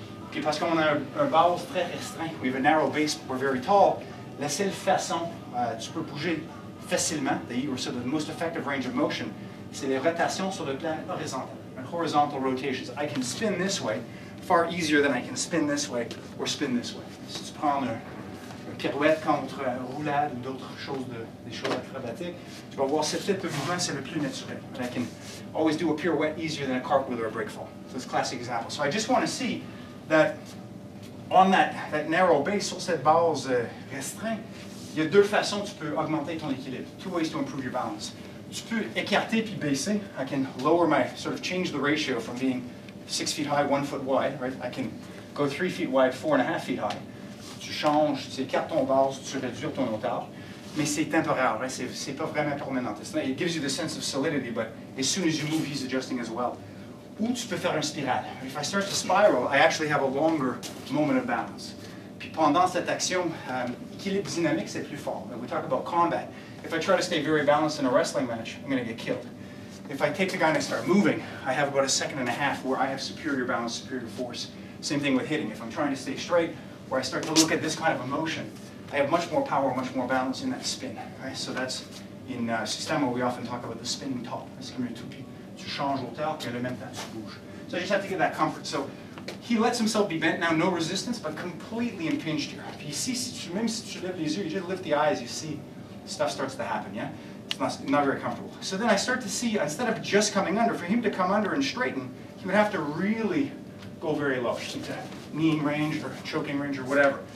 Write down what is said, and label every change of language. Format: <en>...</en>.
<fr>Puis parce qu'on a un base très restreint,</fr> <en>we have a narrow base, we're very tall,</en> <fr>la seule façon, tu peux bouger facilement,</fr> <en>or sort of the most effective range of motion,</en> <fr>c'est les rotations sur le plan horizontal.</fr> <en>Horizontal rotations. I can spin this way far easier than I can spin this way or spin this way.</en> <fr>Si tu prends une pirouette contre un roulade ou d'autres choses, des choses acrobatiques, tu vas voir ce type de mouvement, c'est le plus naturel.</fr> <en>And I can always do a pirouette easier than a cartwheel or a breakfall. So it's a classic example. So I just want to see that on that narrow base,</en> <fr>sur cette base restreinte, il y a deux façons tu peux augmenter ton équilibre.</fr> <en>Two ways to improve your balance.</en> <fr>Tu peux écarter puis baisser.</fr> <en>I can lower my, sort of change the ratio from being 6 feet high, 1 foot wide, right? I can go 3 feet wide, 4.5 feet high.</en> <fr>Tu changes, tu écartes ton base, tu réduis ton hauteur. Mais c'est temporaire,</fr> <en>right?</en> <fr>C'est pas vraiment permanent.</fr> <en>It gives you the sense of solidity, but as soon as you move, he's adjusting as well.</en> <fr>Ou tu peux faire une spirale.</fr> <en>If I start to spiral, I actually have a longer moment of balance.</en> <fr>Puis pendant cette action, équilibre dynamique, c'est plus fort.</fr> <en>We talk about combat. If I try to stay very balanced in a wrestling match, I'm going to get killed. If I take the guy and I start moving, I have about a second and a half where I have superior balance, superior force. Same thing with hitting. If I'm trying to stay straight, where I start to look at this kind of a motion, I have much more power, much more balance in that spin. Right? So that's in Sistema, we often talk about the spinning top.</en> <fr>Tu changes hauteur, puis le même temps tu bouges.</fr> <en>So I just have to get that comfort. So he lets himself be bent now, no resistance, but completely impinged here.</en> <fr>Puis ici, même si tu lèves les yeux,</fr> <en>you just lift the eyes, you see. Stuff starts to happen, yeah? It's not very comfortable. So then I start to see, instead of just coming under, for him to come under and straighten, he would have to really go very low, just that kneeing range or choking range or whatever.</en>